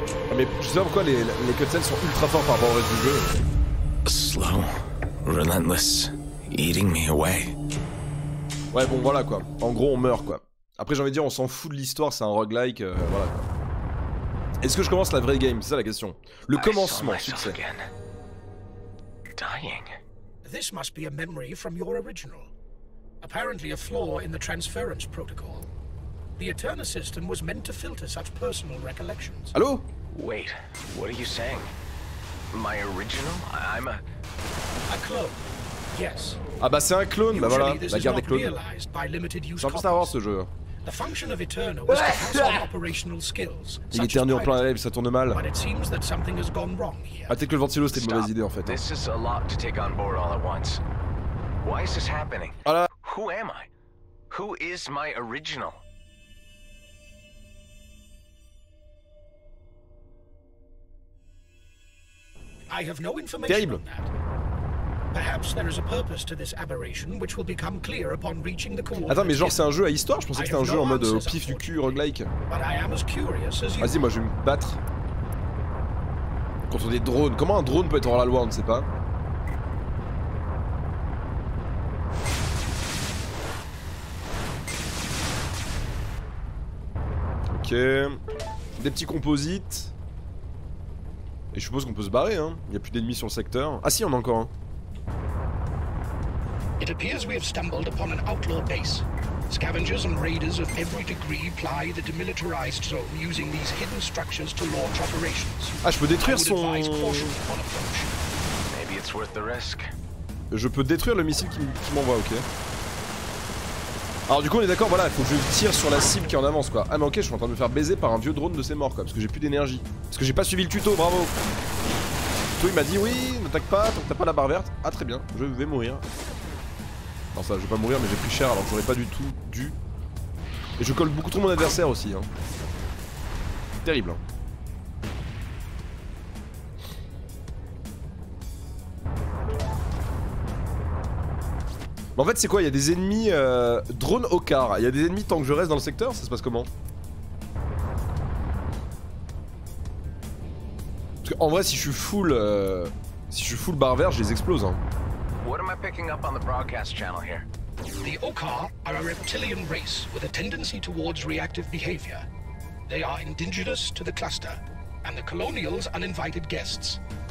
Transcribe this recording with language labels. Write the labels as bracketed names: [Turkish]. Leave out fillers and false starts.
[French] Ah, mais je sais pas pourquoi les cutscenes sont ultra forts par rapport au reste du jeu. [English] Slow. Relentless, eating me away. [French] Ouais bon voilà quoi, en gros on meurt quoi. Après j'ai envie de dire on s'en fout de l'histoire, c'est un roguelike, voilà quoi. Est-ce que je commence la vraie game? C'est ça la question. Le commencement, succès. [English] Dying. This must be a memory from your original. Apparently a flaw in the transference protocol. The Eterna system was meant to filter such personal recollections. [French] Allô? [English] Wait, what are you saying? My original? I'm a... A clone. Yes. [French] Ah bah c'est un clone, bah voilà, la guerre des clones. J'ai envie de savoir ce jeu. [English] The function of Eterna was to pass on operational skills. [French] Il éternue en plein live, ça tourne mal. [English] But it seems that something has gone wrong here. [French] Ah t'es que le ventilo, c'était une mauvaise idée en fait. [English] This is a lot to take on board all at once. Why is this happening? [French] Voilà. [English] Who am I? Who is my original? I have no information on that. Perhaps there is a purpose to this aberration which will become clear upon reaching the coordinates. [French] Attends, mais genre c'est un jeu à histoire? Je pensais que c'était un jeu en mode pif du cul roguelike. Vas-y, moi je vais me battre. Contre des drones. Comment un drone peut être hors la loi, on ne sait pas. Ok. Des petits composites. Et je suppose qu'on peut se barrer, hein. Il n'y a plus d'ennemis sur le secteur. Ah si, on en a encore un. [English] It appears we have stumbled upon an outlaw base. Scavengers and raiders of every degree ply the demilitarized zone using these hidden structures to launch operations. [French] Ah, je peux détruire son... [English] Maybe it's worth the risk. [French] Je peux détruire le missile qui m'envoie, ok. Alors du coup, on est d'accord, voilà, il faut que je tire sur la cible qui est en avance, quoi. Ah mais ok, je suis en train de me faire baiser par un vieux drone de ses morts, quoi, parce que j'ai plus d'énergie. Parce que j'ai pas suivi le tuto, bravo. Toi, il m'a dit, oui, n'attaque pas, tant que t'as pas la barre verte. Ah très bien, je vais mourir. Non, ça, je vais pas mourir, mais j'ai pris cher, alors j'aurais pas du tout dû. Et je colle beaucoup trop mon adversaire aussi, hein. Terrible. En fait, c'est quoi? Il y a des ennemis drone au car. Il y a des ennemis tant que je reste dans le secteur. Ça se passe comment? Parce que, en vrai, si je suis full barre verte, je les explose. Hein. [English] What am I picking up on the broadcast channel here? The Okar are a reptilian race with a tendency towards reactive behavior. They are indigenous to the cluster and the colonials uninvited guests.